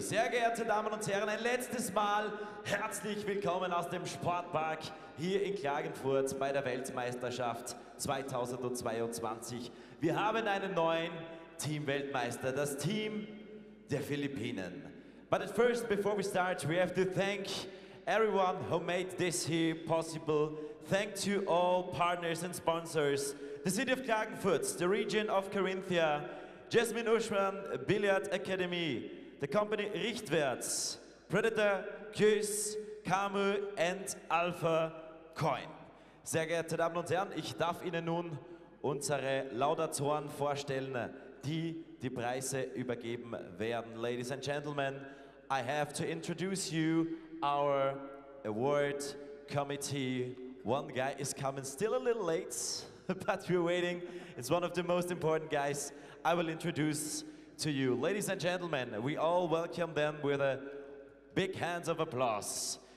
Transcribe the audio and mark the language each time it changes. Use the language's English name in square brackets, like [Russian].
[German] Sehr geehrte Damen und Herren, ein letztes Mal herzlich willkommen aus dem Sportpark hier in Klagenfurt bei der Weltmeisterschaft 2022. Wir haben einen neuen Team-Weltmeister, das Team der Philippinen. [English] But at first, before we start, we have to thank everyone who made this here possible. Thank to all partners and sponsors. The city of Klagenfurt, the region of Carinthia, Jasmine Uschmann, Billiard Academy, the company Richtwerts, Predator, Kyss, Camu and Alpha Coin. [German] Sehr geehrte Damen und Herren, ich darf Ihnen nun unsere Laudatoren vorstellen, die die Preise übergeben werden. [English] Ladies and gentlemen, I have to introduce you our award committee. One guy is coming still a little late, but we're waiting. It's one of the most important guys I will introduce to you. Ladies and gentlemen, we all welcome them with a big hands of applause.